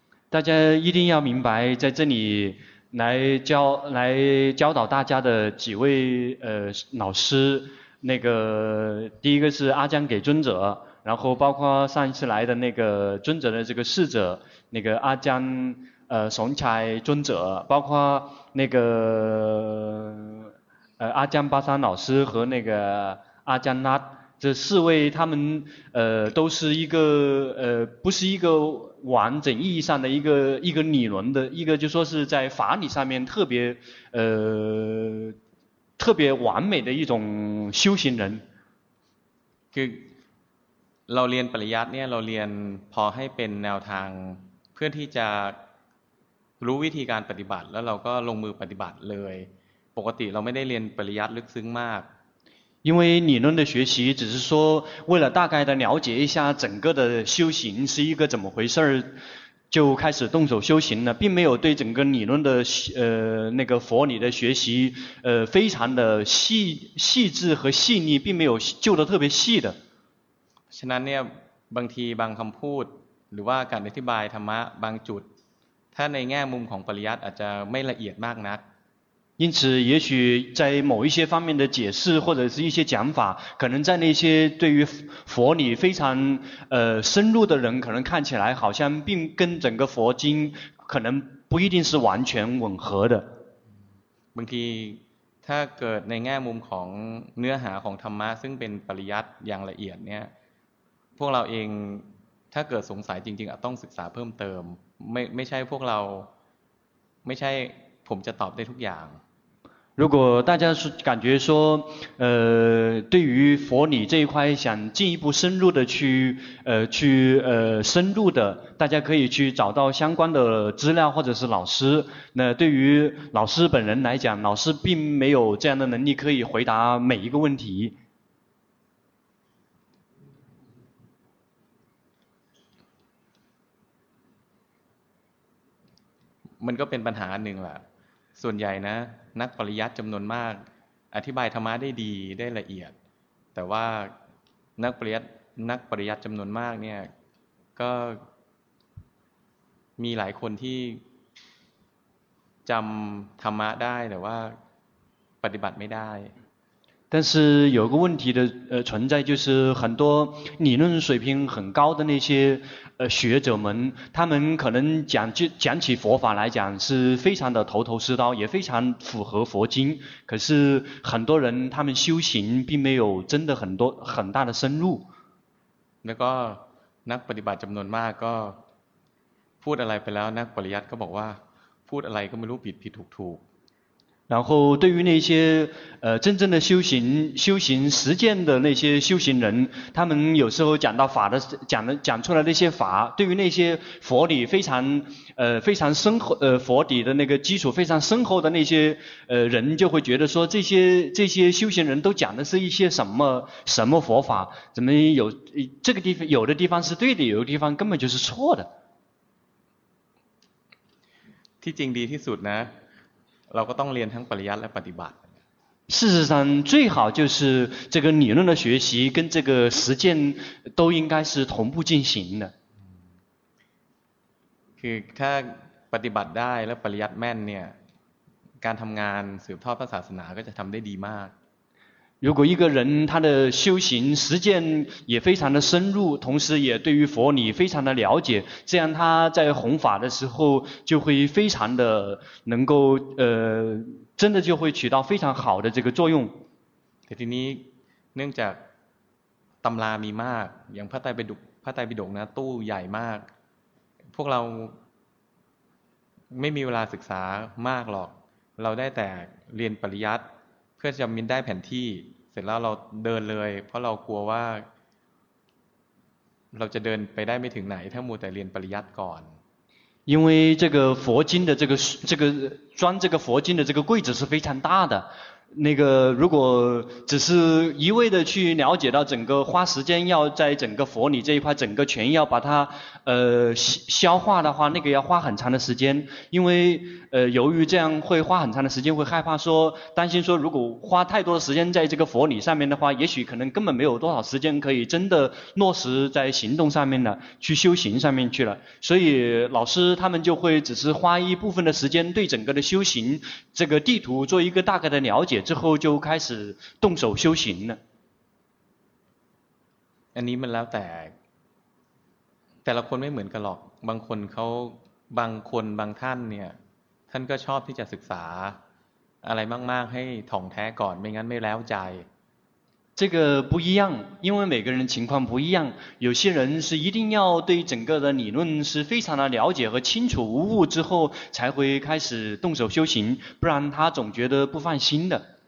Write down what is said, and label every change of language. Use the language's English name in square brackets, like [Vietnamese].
[Chinese] 大家一定要明白在这里来教导大家的几位老师那个第一个是阿姜给尊者然后包括上一次来的那个尊者的这个侍者那个阿姜松才尊者包括那个阿姜巴山老师和那个阿姜拉这四位他们都是一个不是一个完整意义上的一个理论的一个就是说是在法理上面特别完美的一种修行人 [Thai] คือเราเรียนปริยัติเนี่ยเราเรียนพอให้เป็นแนวทางเพื่อที่จะรู้วิธีการปฏิบัติแล้วเราก็ลงมือปฏิบัติเลยปกติเราไม่ได้เรียนปริยัติลึกซึ้งมาก [Chinese] 因为理论的学习只是说为了大概的了解一下整个的修行是一个怎么回事就开始动手修行了并没有对整个理论的那个佛理的学习非常的细致和细腻并没有就得特别细的 [Thai] ฉะนั้นเนี่ยบางทีบางคำพูดหรือว่าการอธิบายธรรมะบางจุดถ้าในแง่มุมของปริยัติอาจจะไม่ละเอียดมากนัก [Chinese] 因此也许在某一些方面的解释或者是一些讲法可能在那些对于佛理非常深入的人可能看起来好像并跟整个佛经可能不一定是完全吻合的 [Thai] บางทีถ้าเกิดในแง่มุมของเนื้อหาของธรรมะซึ่งเป็นปริยัติอย่างละเอียดเนี่ยพวกเราเองถ้าเกิดสงสัยจริงๆต้องศึกษาเพิ่มเติมไม่ใช่พวกเราไม่ใช่ผมจะตอบได้ทุกอย่าง [Chinese] 如果大家是感觉说对于佛理这一块想进一步深入的去深入的大家可以去找到相关的资料或者是老师那对于老师本人来讲老师并没有这样的能力可以回答每一个问题 [Thai] มันก็เป็นปัญหาหนึ่งแหละส่วนใหญ่นะนักปริยัติจำนวนมากอธิบายธรรมะได้ดีได้ละเอียดแต่ว่านักปริยัติจำนวนมากเนี่ยก็มีหลายคนที่ จำธรรมะได้แต่ว่าปฏิบัติไม่ได้ [Chinese] 但是有个问题的存在，就是很多理论水平很高的那些学者们，他们可能讲起佛法来讲是非常的头头是道，也非常符合佛经，可是很多人他们修行并没有真的很多很大的深入。 [Thai] 那个นักปฏิบัติจำนวนมากก็พูดอะไรไปแล้วนักปริยัติก็บอกว่าพูดอะไรก็ไม่รู้ผิดถูกถูก [Chinese] 然后对于那些真正的修行实践的那些修行人，他们有时候讲到法的讲出来的那些法，对于那些佛理非常深厚佛理的那个基础非常深厚的那些人，就会觉得说这些修行人都讲的是一些什么佛法，怎么有这个地方有的地方是对的，有的地方根本就是错的。 [Thai] ที่จริงดีที่สุดนะเราก็ต้องเรียนทั้งปริยัติและปฏิบัติ [Chinese] 事实上最好就是这个理论的学习跟这个实践都应该是同步进行的 [Thai] คือถ้าปฏิบัติได้และปริยัติแม่นเนี่ยการทำงานสืบทอดพระศาสนาก็จะทำได้ดีมาก [Chinese] 如果一个人他的修行实践也非常的深入，同时也对于佛理非常的了解，这样他在弘法的时候就会非常的能够真的就会起到非常好的这个作用。 [Thai] แต่ทีนี้เนื่องจากตำรามีมากอย่างพระไตรปิฎกนะตู้ใหญ่มากพวกเราไม่มีเวลาศึกษามากหรอกเราได้แต่เรียนปริยัติเพื่อจะมินได้แผนที่เสร็จแล้วเราเดินเลยเพราะเรากลัวว่าเราจะเดินไปได้ไม่ถึงไหนถ้ามัวแต่เรียนปริยัติก่อน [Chinese] 因为这个佛经的这个装这个佛经的这个柜子是非常大的那个如果只是一味的去了解到整个花时间要在整个佛理这一块整个全要把它消化的话那个要花很长的时间因为由于这样会花很长的时间会害怕说担心说如果花太多的时间在这个佛理上面的话也许可能根本没有多少时间可以真的落实在行动上面的去修行上面去了所以老师他们就会只是花一部分的时间对整个的修行这个地图做一个大概的了解之后就开始动手修行了 [Thai] อันนี้มันแล้วแต่แต่ละคนไม่เหมือนกันหรอกบางคนเขาบางคนบางท่านเนี่ยท่านก็ชอบที่จะศึกษาอะไรมากๆให้ถ่องแท้ก่อนไม่งั้นไม่แล้วใจ [Chinese] 这个不一样因为每个人情况不一样有些人是一定要对整个的理论是非常的了解和清楚无误之后才会开始动手修行不然他总觉得不放心的